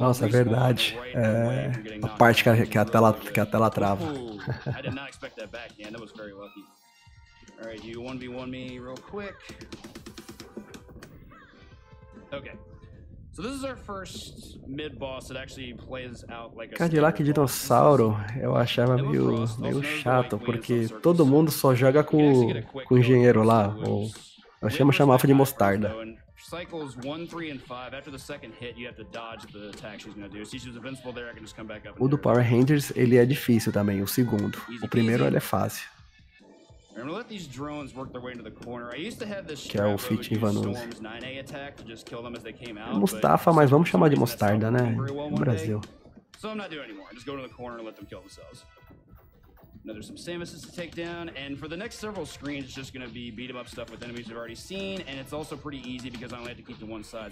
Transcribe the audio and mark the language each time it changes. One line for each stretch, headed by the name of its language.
Portuguese: nossa, é verdade. É a parte que a tela trava.
English: I did not expect that backhand. That was very lucky. All right, you 1v1 me real quick. Okay. So this is our first mid boss that actually plays out like a
Portuguese: Cadillac Dinossauro. Eu achava meio chato porque todo mundo só joga com o engenheiro lá, ou eu chamo chamava de mostarda.
English: Cycles 1, 3 and 5, after the second hit, you have to dodge the attack she's gonna do. See, she's invincible there, I can just come back up.
Portuguese: O do Power Rangers, ele é difícil também, o segundo. O primeiro, ele é fácil.
English: I'm gonna let these drones work their way into the corner. I used to have this
Portuguese: que é o Fit Ivanus. É Mustafa, mas vamos chamar de mostarda, né? No Brasil.
English: So I'm not doing anymore. I'm just going to the corner and let them kill themselves. Now there's some Samuses to take down, and for the next several screens, it's just gonna be beat 'em up stuff with enemies we've already seen, and it's also pretty easy because I only have to keep to one side.